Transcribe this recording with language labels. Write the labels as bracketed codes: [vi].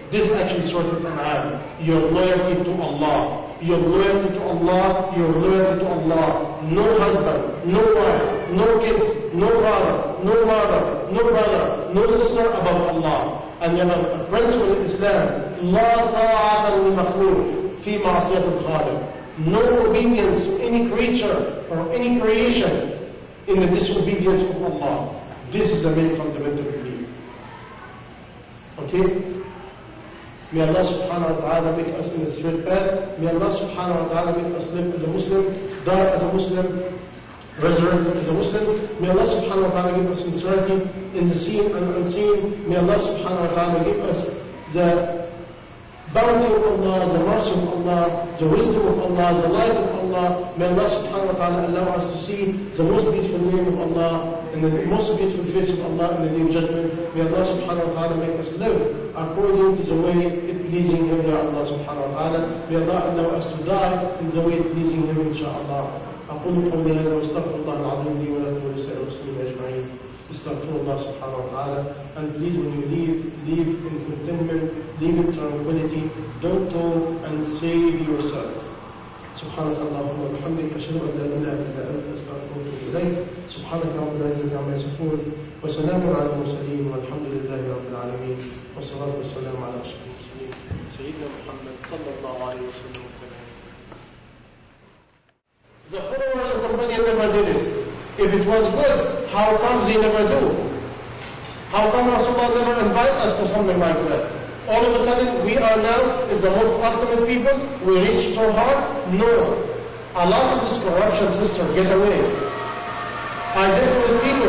[en] This actually started in Al-An. Your loyalty to Allah. Your loyalty to Allah. Your loyalty to Allah. No husband, no wife, no kids, no father, no mother, no brother, no sister above Allah. And you have a principle in Islam. [ar] لا طاعة لمخلوق في معصية الخالق. [en] No obedience to any creature or any creation in the disobedience of Allah. This is the main fundamental belief. Okay? May Allah subhanahu wa ta'ala make us in the straight path. May Allah subhanahu wa ta'ala make us live as a Muslim, die as a Muslim, resurrected as a Muslim. May Allah subhanahu wa ta'ala give us sincerity in the seen and unseen. May Allah subhanahu wa ta'ala give us the bounty of Allah, the mercy of Allah, the wisdom of Allah, the light of Allah. May Allah subhanahu wa ta'ala allow us to see the most beautiful name of Allah and the most beautiful face of Allah in the Day of Judgment. May Allah subhanahu wa ta'ala make us live according to the way it pleasing Him, Ya Allah subhanahu wa ta'ala. May Allah allow us to die in the way it pleasing Him, inshaAllah. [ar] أقول قولي هذا واستغفر الله العظيم لي ولكم ولسائر المسلمين أجمعين. استغفر الله سبحانه وتعالى. [en] And please, when you leave in contentment, leave in tranquility. Don't talk and save yourself. [ar] سبحانك اللهم وبحمدك أشهد أن لا إله إلا أنت أستغفرك وأتوب. سبحانك رب العزة عما يصفون. وسلام على المرسلين والحمد لله رب العالمين. والصلاة والسلام على أشرف المرسلين سيدنا محمد صلى الله عليه وسلم. [en] The followers of the company never did this. If it was good, how come they never do? How come Rasulullah never invite us to something like that? All of a sudden, we are now is the most ultimate people. We reached so hard. No. A lot of this corruption system, get away. I dealt with people.